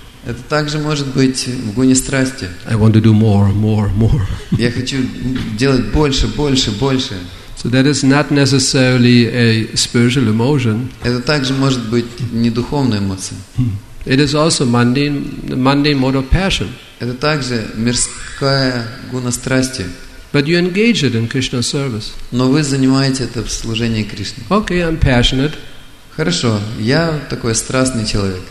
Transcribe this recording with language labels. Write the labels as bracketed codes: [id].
[ru] Это также может быть в гуне страсти. [en] I want to do more, more, more. [ru] Я хочу делать больше, больше, больше. [en] So that is not necessarily a spiritual emotion. [ru] Это также может быть не духовная эмоция. [en] It is also mundane mode of passion. [ru] Это также мирская гуна страсти. [en] But you engage it in Krishna service. [ru] Но вы занимаете это в служении Кришне. [en] Okay, I'm passionate. [ru] Хорошо, я такой страстный человек.